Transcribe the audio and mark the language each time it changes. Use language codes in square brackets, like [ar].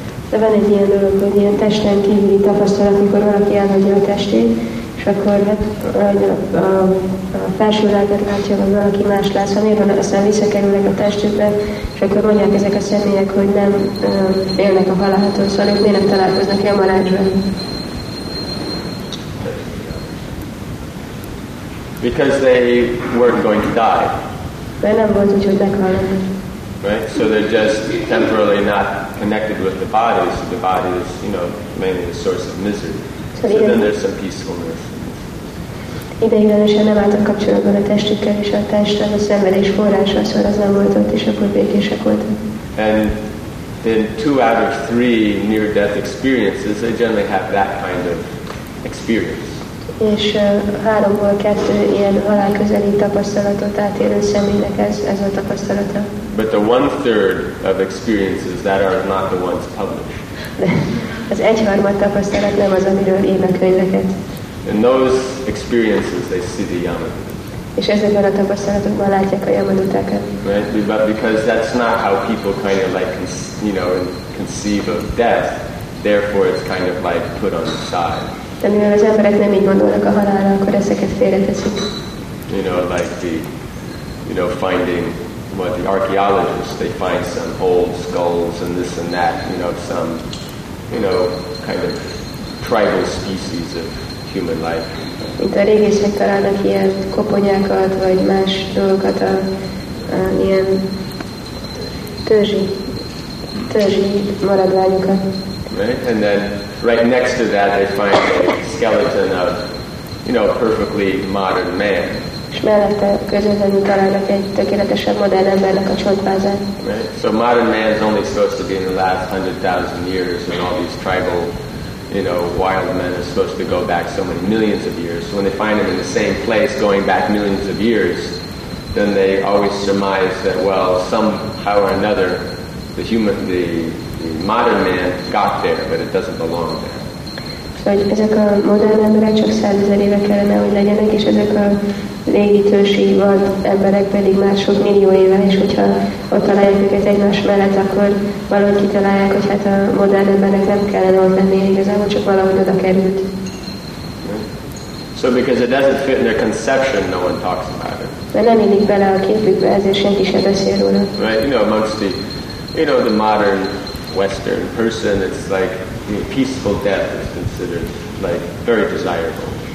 [hu] Van egy ilyen dolog, hogy ilyen testen kívüli tapasztalat, amikor valaki elhagyja a testét, és akkor hát, a felső lelket látja, vagy valaki más látsz, ha miért van, aztán visszakerülnek a testükbe, és akkor mondják ezek a személyek, hogy nem élnek a halálhatól, szóval ők miért nem találkoznak ilyen marácsban. [en] Because they weren't going to die. [hu] Mert nem volt úgy, hogy meghallani. [en] Right, so they're just temporarily not connected with the body, so the body is, you know, mainly the source of misery. So then there's some peacefulness. [hu] Ideiglenesen nem álltak kapcsolatban a testükkel, és a test az a szenvedés forrása, szóval az nem volt ott, és akkor békések voltak. [en] And then two out of three near-death experiences, they generally have that kind of experience. [hu] És háromból kettő ilyen halál közeli tapasztalatot átérő személynek ez a tapasztalata. [en] But the one-third of experiences that are not the ones published. [hu] Az egyharmad tapasztalat nem az, amiről ír a könyveket. [en] In those experiences, they see the Yamadutas. [hu] És ezekben a tapasztalatokban látják a Yamadutákat. [en] Right? But because that's not how people kind of like, you know, conceive of death, therefore it's kind of like put on the side. [hu] De mivel az emberek nem így gondolnak a halálra, akkor ezeket félreteszik. [en] You know, like the, you know, finding what the archaeologists, they find some old skulls and this and that, you know, some, you know, kind of tribal species of human life. [hu] Mint a régészek találnak ilyen koponyákat, vagy más dolgokat, ilyen törzsi maradványokat. [en] Right? And then right next to that they find a skeleton of, you know, a perfectly modern man. [hu] És mellette közvetlenül találnak egy tökéletesen modern embernek a csontvázát. [en] Right? So modern man is only supposed to be in the last 100,000 years and all these tribal, you know, wild men are supposed to go back so many millions of years. So when they find him in the same place going back millions of years, then they always surmise that, well, somehow or another, the modern man got there, but it doesn't belong there. [hu] So ezek a modern emberek csak 100,000 éve kellene, hogy legyenek, és ezek a régi törzsi volt emberek pedig már sok millió éve, és hogyha ott találják őket egymás mellett, akkor valahogy kitalálják, hogy hát a modern embernek nem kellene ott lenni, igazából csak valahogy oda került. [en] So because it doesn't fit in their conception, no one talks about it. [hu] mert nem illik bele a képükbe, ezért senki se beszél róla. [en] Right, you know, amongst the, you know, the modern Western person, it's like, you know, peaceful death is considered like very desirable.